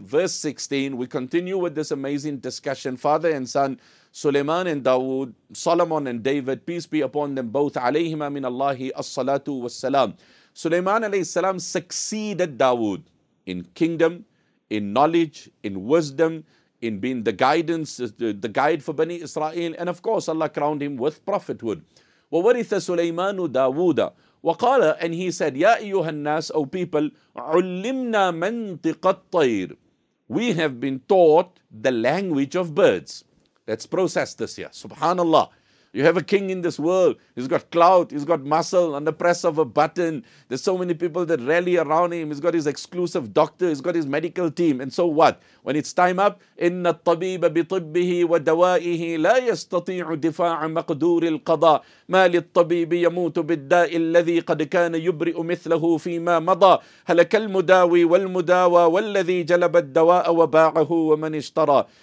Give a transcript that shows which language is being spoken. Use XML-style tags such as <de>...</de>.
<en>Verse 16, we continue with this amazing discussion. Father and son, Sulaiman and Dawood, Solomon and David, peace be upon them both.</en> <ar>عَلَيْهِمَا مِنَ اللَّهِ الصَّلَاةُ وَالسَّلَامُ.</ar> <en>Sulaiman alayhi salam succeeded Dawood in kingdom, in knowledge, in wisdom, in being the guidance, the guide for Bani Israel, and of course Allah crowned him with prophethood.</en> <ar>وَوَرِثَ سُلَيْمَانُ دَاوُودَ وَقَالَ,</ar> <en>and he said,</en> <ar>يَا أَيُّهَا النَّاسُ,</ar> <en>O people,</en> <ar>عُلِّمْنَا مَنْطِقَ الطَّيْرِ.</ar> <en>We have been taught the language of birds. Let's process this here. Subhanallah. You have a king in this world. He's got clout. He's got muscle on the press of a button. There's so many people that rally around him. He's got his exclusive doctor. He's got his medical team. And so what? When it's time up,</en> <ar>إِنَّ الطَّبِيبَ بِطِبِّهِ وَدَوَائِهِ لَا يَسْتَطِيعُ دِفَاعَ مَقْدُورِ الْقَضَى مَا لِلطَّبِيبِ يَمُوتُ بِالدَّاءِ الَّذِي قَدْ كَانَ يُبْرِئُ مِثْلَهُ فِيمَا مَضَى هَلَكَ الْمُدَاوِي وَالْمُدَاوَى وَالَّذِي جَلَبَ الدَّوَاءَ وَبَاعَهُ وَمَنْ اشْتَرَى.</ar>